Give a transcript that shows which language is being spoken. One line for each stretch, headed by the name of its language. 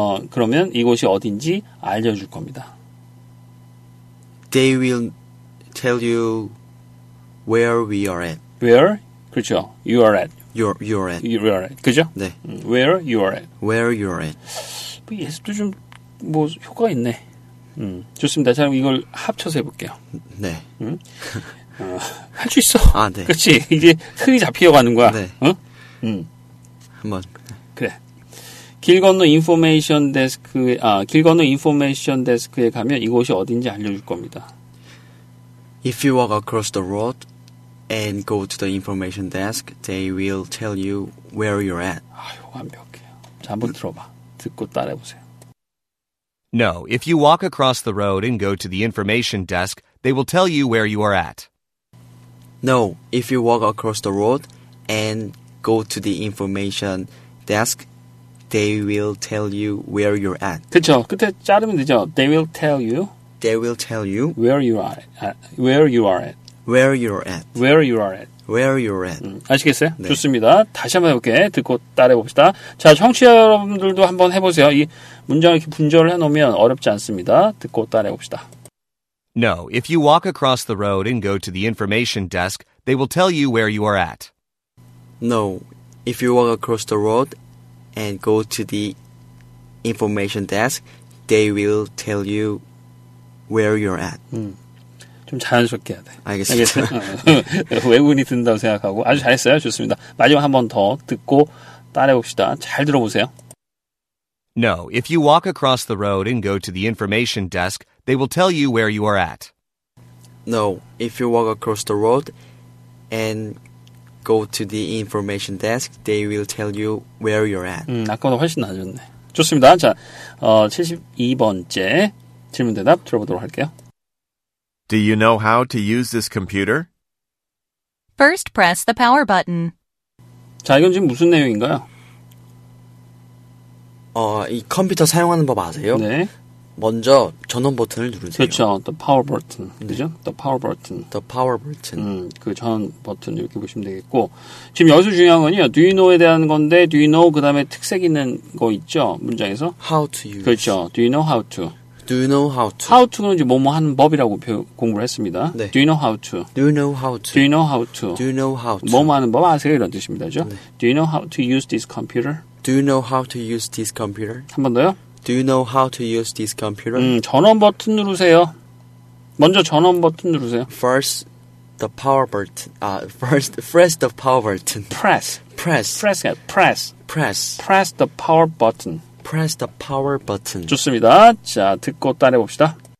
Korean: 그러면 이곳이 어딘지 알려줄 겁니다.
English: They will tell you where we are at. Where?
Korean: 그렇죠.
English: You are at. You're at. You are at.
Korean: 그죠? 네.
English: Where you are at. Where you are at.
Korean: 뭐 예습도 좀 뭐 효과 있네. 좋습니다. 자, 이걸 합쳐서 해볼게요. 네. 할 수 있어. 아, 네. 그렇지. 이제 틀이 잡히어가는 거야. 네. 한번. 그래. 길 건너 인포메이션 데스크에, 아, 길 건너 인포메이션 데스크에 가면 이곳이 어딘지 알려줄 겁니다.
English: If you walk across the road and go to the information desk, they will tell you where you're at.
Korean: 아유, 완벽해요. 자, 한번 들어봐. 듣고 따라해보세요.
English: No, if you walk across the road and go to the information desk, they will tell you where you are at. No, if you walk across the road and go to the information desk, they will tell you where you're at.
Korean: 그쵸, 끝에 자르면 되죠.
English: They will tell you. They will tell you. Where you are at. Where you are at. Where you're at. Where you are at. Where you're at.
Korean: 아시겠어요? 네. 좋습니다. 다시 한번 해볼게. 듣고 따라해봅시다. 자, 청취자 여러분들도 한번 해보세요. 이 문장을 이렇게 분절을 해놓으면 어렵지 않습니다. 듣고 따라해봅시다.
English: No, if you walk across the road and go to the information desk, they will tell you where you are at. No, if you walk across the road and go to the information desk, they will tell you where you're at.
Korean: 좀 자연스럽게 해야 돼. 알겠습니다. 외국인이 듣는다고 생각하고 아주 잘했어요. 좋습니다. 마지막 한 번 더 듣고 따라해봅시다. 잘 들어보세요.
English: No, if you walk across the road and go to the information desk, they will tell you where you are at. No, if you walk across the road and go to the information desk, they will tell you where you're at.
Korean: 아까보다 훨씬 나아졌네. 좋습니다. 자, 72번째 질문 대답 들어보도록 할게요.
English: Do you know how to use this computer? First, press the power button.
Korean: 자, 이건 지금 무슨 내용인가요? 어, 이 컴퓨터 사용하는 법 아세요? 네. 먼저 전원 버튼을 누르세요. 그렇죠.
English: The power button.
Korean: 그죠? 네.
English: The power button. The power button.
Korean: 그 전원 버튼 이렇게 보시면 되겠고. 지금 여기서 중요한 건요.
English: Do you know
Korean: 에 대한 건데,
English: do you know
Korean: 그 다음에 특색 있는 거 있죠? 문장에서.
English: How to use.
Korean: 그렇죠.
English: Do you know how to. Do you know how to?
Korean: How to는 이제 뭐뭐 하는 법이라고 공부를 했습니다. 네.
English: Do you know how to? Do you know how to? Do you know how to? Do you know how to?
Korean: 뭐뭐 하는 법 아세요? 이런 뜻입니다. 네.
English: Do you know how to use this computer? Do you know how to use this computer?
Korean: 한 번 더요.
English: Do you know how to use this computer?
Korean: 전원 버튼 누르세요. 먼저 전원 버튼 누르세요.
English: First the power button. First the power button. Press the power button. Press the power button.
Korean: 좋습니다. 자, 듣고 따라해봅시다.